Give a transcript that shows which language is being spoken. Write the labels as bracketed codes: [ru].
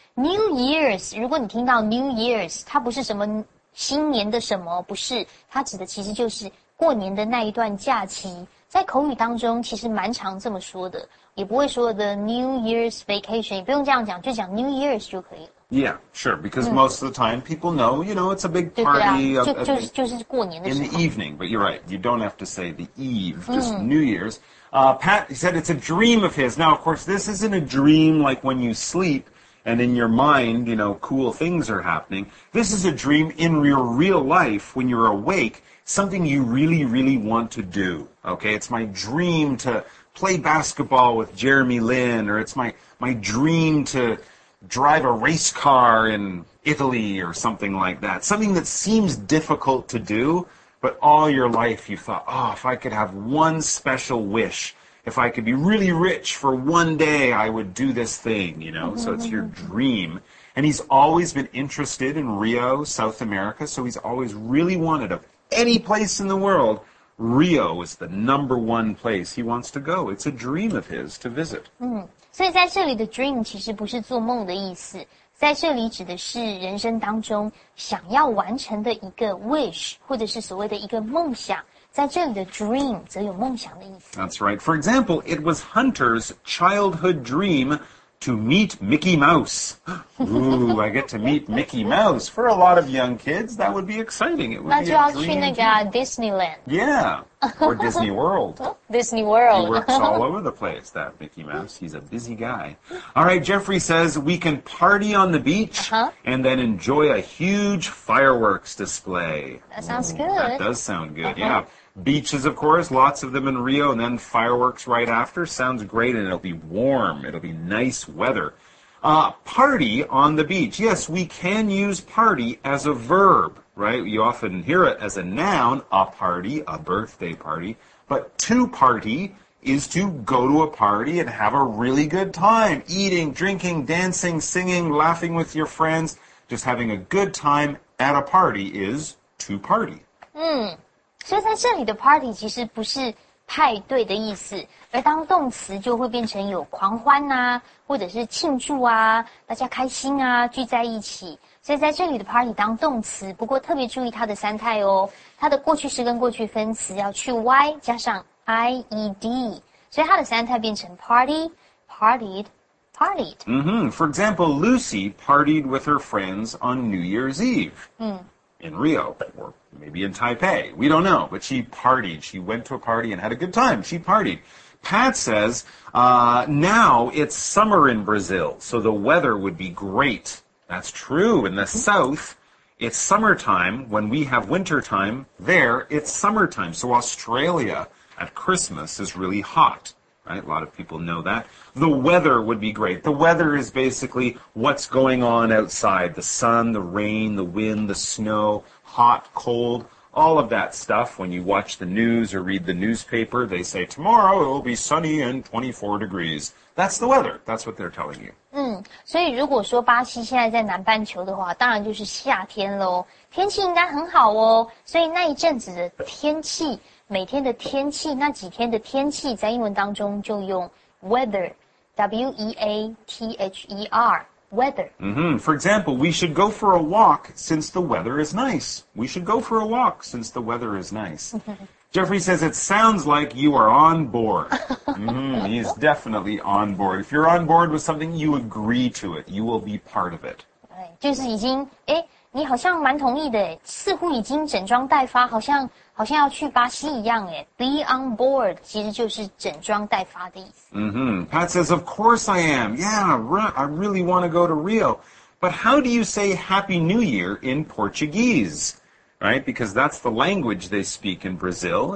[zh] New Year's, 如果你听到 New Year's, 它不是什么新年的什么，不是，它指的其实就是过年的那一段假期。在口语当中其实蛮常这么说的，也不会说 [en] the New Year's vacation， [zh] 也不用这样讲，就讲 New Year's 就可以了。 [en] Yeah, sure, because most of the time people know, you know, it's a big party in the evening. But you're right, you don't have to say the eve, just New Year's. Pat, he said it's a dream of his. Now, of course, this isn't a dream like when you sleep and in your mind, you know, cool things are happening. This is a dream in your real life when you're awake, something you really, really want to do. Okay, it's my dream to play basketball with Jeremy Lin, or it's my dream to drive a race car in Italy or something like that. Something that seems difficult to do, but all your life you thought, oh, if I could have one special wish, if I could be really rich for one day, I would do this thing, you know? Mm-hmm. So it's your dream. And he's always been interested in Rio, South America, so he's always really wanted, of any place in the world, Rio is the number one place he wants to go. It's a dream of his to visit. Mm-hmm. [zh] 所以在这里的 dream 其实不是做梦的意思，在这里指的是人生当中想要完成的一个 wish， 或者是所谓的一个梦想。在这里的 dream 则有梦想的意思。 [en] That's right. For example, it was Hunter's childhood dream to meet Mickey Mouse. Ooh, I get to meet Mickey Mouse. For a lot of young kids, that would be exciting. It would be a dream. [zh] 那就要去那个 Disneyland. [en] Yeah, or Disney World. Disney World. He works all over the place, that Mickey Mouse. He's a busy guy. All right, Jeffrey says, we can party on the beach and then enjoy a huge fireworks display. That sounds good. That does sound good, yeah. Beaches, of course, lots of them in Rio, and then fireworks right after. Sounds great, and it'll be warm. It'll be nice weather. Party on the beach. Yes, we can use party as a verb, right? You often hear it as a noun, a party, a birthday party. But to party is to go to a party and have a really good time, eating, drinking, dancing, singing, laughing with your friends. Just having a good time at a party is to party. Hmm. [zh] 所以在这里的 party 其实不是派对的意思，而当动词就会变成有狂欢啊，或者是庆祝啊，大家开心啊，聚在一起。所以在这里的 party 当动词，不过特别注意它的三态哦，它的过去式跟过去分词要去 y 加上 ied， 所以它的三态变成 party、partied、partied。 [en] Mm-hmm. For example, Lucy partied with her friends on New Year's Eve. In Rio, or maybe in Taipei. We don't know, but she partied. She went to a party and had a good time. She partied. Pat says, now it's summer in Brazil, so the weather would be great. That's true. In the south, it's summertime. When we have wintertime, there it's summertime. So Australia at Christmas is really hot, right? A lot of people know that. The weather would be great. The weather is basically what's going on outside. The sun, the rain, the wind, the snow, hot, cold, all of that stuff. When you watch the news or read the newspaper, they say tomorrow it will be sunny and 24 degrees. That's the weather. That's what they're telling you. [zh] 所以如果说巴西现在在南半球的话，当然就是夏天咯。天气应该很好哦。所以那一阵子的天气，每天的天气，那几天的天气在英文当中就用weather, W-E-A-T-H-E-R, weather. [en] Mm-hmm. For example, we should go for a walk since the weather is nice. We should go for a walk since the weather is nice. Jeffrey says, it sounds like you are on board. He is definitely on board. If you're on board with something, you agree to it. You will be part of it. [zh] 就是已经，诶，你好像蛮同意的，似乎已经整装待发，好像好像要去巴西一样耶。 Be on board 其实就是整装待发的意思。 [en] Mm-hmm. Pat says, of course I am. Yeah, I really want to go to Rio. But how do you say Happy New Year in Portuguese? Right? Because that's the language they speak in Brazil.